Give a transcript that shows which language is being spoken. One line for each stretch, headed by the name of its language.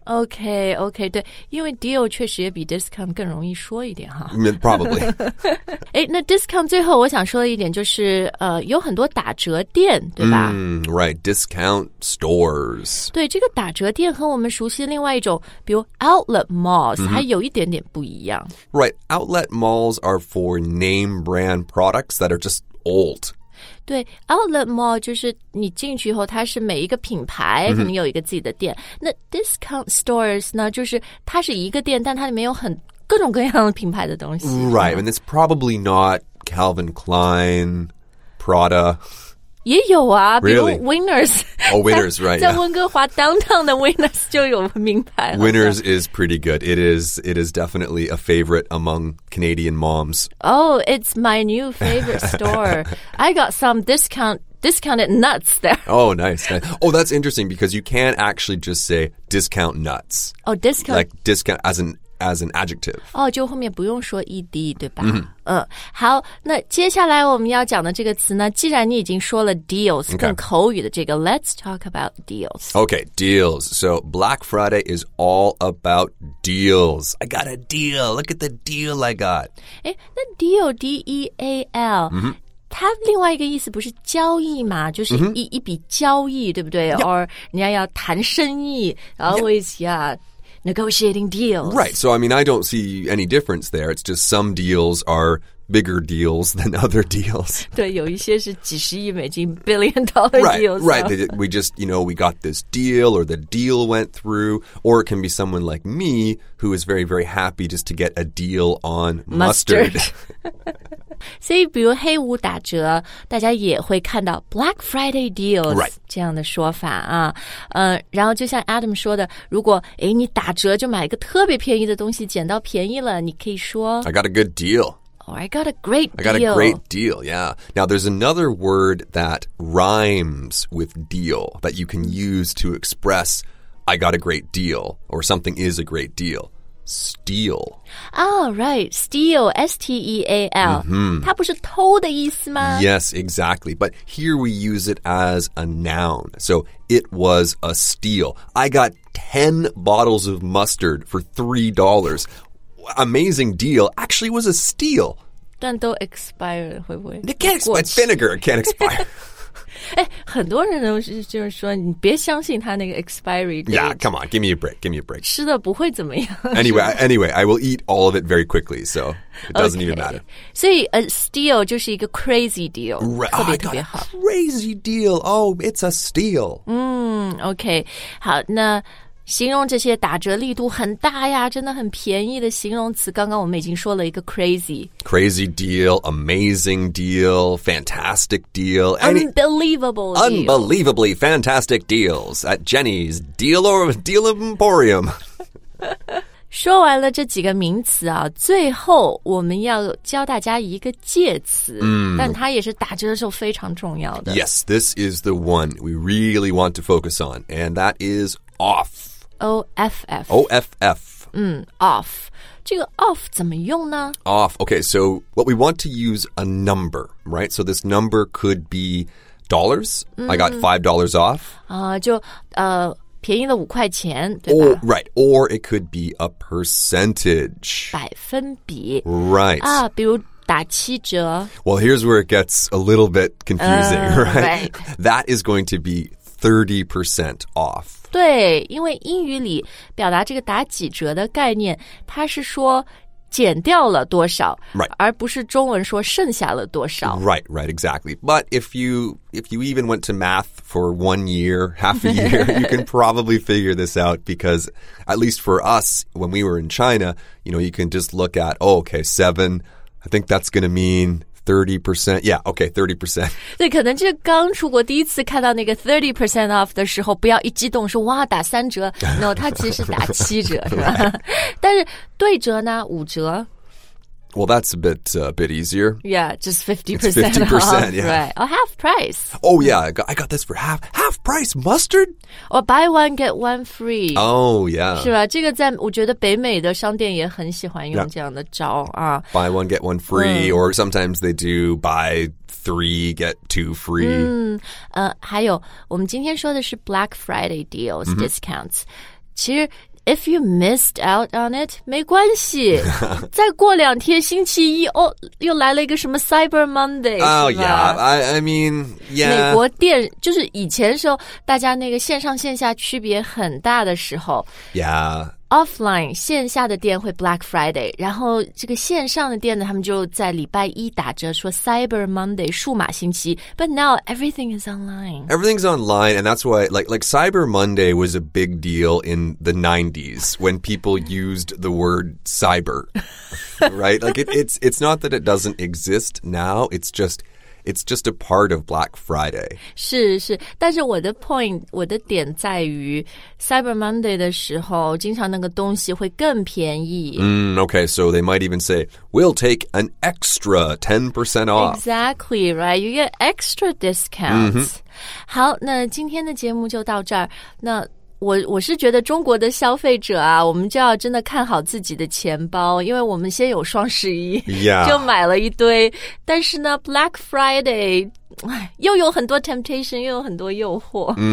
Chinese: OK, OK, 对，因为 deal 确实也比 discount 更容易说一点哈。
English: Probably.
Chinese: 哎，那 discount 最后我想说的一点就是，有很多打折店，对吧？
English: Right, discount stores.
Chinese: 对，这个打折店和我们熟悉的另外一种，比如 outlet malls,还有一点点不一样。
English: Right, outlet malls are for name brand products that are just old.
Chinese: 对 ,outlet mall 就是你进去以后它是每一个品牌可能有一个自己的店。那 discount stores 呢就是它是一个店但它里面有很各种各样的品牌的东西。
English: Right, and it's probably not Calvin Klein, Prada.
Chinese: 也有啊、
English: really?
Chinese: 比如 Winners.
English: Oh, Winners, right.
Chinese: 在温哥华 downtown 的 Winners 就有名牌。
English: Winners is pretty good. It is definitely a favorite among Canadian moms. Oh, it's my new favorite store. I got some discounted nuts there. Oh, nice. Oh, that's interesting because you can't actually just say discount nuts. Oh, discount. Like discount as an adjective.
Chinese: 哦、oh, 就后面不用说 ED, 对吧、好那接下来我们要讲的这个词呢既然你已经说了 deals,、
English: okay.
Chinese: 更口语的这个
English: let's talk about deals. Okay, deals. So Black Friday is all about deals. I got a deal. Look at the deal I got.
Chinese: 诶那 deal, D-E-A-L,、它另外一个意思不是交易嘛就是 一笔交易对不对、
English: yeah.
Chinese: or 你要谈生意
English: always, yeah. Negotiating deals. Right. So, I mean, I don't see any difference there. It's just some deals are bigger deals than other deals.
Chinese: 对有一些是几十亿美金
English: billion dollar right, deals. Right. We just, you know, we got this deal or the deal went through. Or it can be someone like me who is very, very happy just to get a deal on mustard.
Chinese: 所以比如黑五打折大家也会看到 Black Friday deals.
English: Right.
Chinese: 这样的说法啊、然后就像 Adam 说的如果诶你打折就买一个特别便宜的东西捡到便宜了你可以说
English: I got a good deal Or I got a great deal I got a great deal, yeah Now there's another word that rhymes with deal that you can use to express I got a great deal or something is a great dealSteal. Oh, right.
Chinese: Steal, S-T-E-A-L.、它不是偷的意思吗?
English: Yes, exactly. But here we use it as a noun. So it was a steal. I got 10 bottles of mustard for $3. Amazing deal. Actually, it was a steal.
Chinese: 但都 expire 了会不会?
English: It can't expire. Vinegar can't expire.
Chinese: 哎，很多人都是就是说，你别相信他那个 expiry date.
English: Yeah, come on, give me a break, give me a break.
Chinese: 吃的不会怎么样。
English: Anyway, I will eat all of it very quickly, so it doesn't even matter.
Chinese: 所以 a steal 就是一个 crazy deal, 特别特别好。
English: Crazy deal, oh, it's a steal.
Chinese: Okay, 好，那形容这些打折力度很大呀，真的很便宜的形容词，刚刚我们已经说了一个 crazy.
English: Crazy deal, amazing deal, fantastic deal. Unbelievable deal. Unbelievably fantastic deals at Jenny's Deal Emporium.
Chinese: 说完了这几个名词啊，最后我们要教大家一个介词，但它也是打折的时候非常重要的。
English: Yes, this is the one we really want to focus on, and that is... Off.
Chinese: Off. 这个 off 怎么用呢?
English: Off. Okay, so what we want to use a number, right? So this number could be dollars. I got $5 off.
Chinese: 便宜了五块钱对吧
English: or, Right, or it could be a percentage.
Chinese: 百分比
English: Right.
Chinese: 啊，比如打七折。
English: Well, here's where it gets a little bit confusing, right? That is going to be 30% off.
Chinese: 对因为英语里表达这个打几折的概念它是说减掉了多少、
English: right.
Chinese: 而不是中文说剩下了多少
English: Right, right, exactly. But if you even went to math for 1 year, half a year, you can probably figure this out because at least for us, when we were in China, you know, you can just look at, oh, okay, 7, I think that's going to mean... 30%, yeah, okay, 30%.
Chinese: 对，可能就刚出国第一次看到那个 30% off 的时候，不要一激动说哇，打三折。 No, 它其实是打七折，是吧？但是对折呢，五折。
English: Well, that's a bit, bit easier. Yeah, just 50% off. 50%, yeah. Right, or half price. Oh, yeah, I got this for half. Half price mustard? Or buy one, get one free. Oh, yeah.
Chinese: 是吧？这个在我觉得北美的商店也很喜欢用这样的招啊。
English: Buy one, get one free, or sometimes they do buy three, get two free.
Chinese: 还有我们今天说的是 Black Friday deals, discounts. 其实
English: if you missed out on it,
Chinese: 没关系。再过两天星期一哦又来了一个什么 Cyber Monday。
English: Oh, yeah, I mean, yeah.
Chinese: 美国电就是以前的时候大家那个线上线下区别很大的时候。
English: Yeah.
Chinese: Offline, 线下的店会 Black Friday, 然后这个线上的店呢他们就在礼拜一打折说 Cyber Monday, 数码星期
English: but now everything is online. Everything's online, and that's why, like Cyber Monday was a big deal in the 90s when people used the word cyber, right? Like, it's not that it doesn't exist now, it's just a part of Black Friday.
Chinese: 是是但是我的 point, 我的点在于 Cyber Monday 的时候经常那个东西会更便宜。
English: Okay, so they might even say, we'll take an extra 10% off. Exactly, right? You get extra discounts.、 Mm-hmm.
Chinese: 好那今天的节目就到这儿。那我是觉得中国的消费者啊我们就要真的看好自己的钱包因为我们先有双十一、
English: yeah.
Chinese: 就买了一堆但是呢 Black Friday 又有很多 temptation 又有很多诱惑、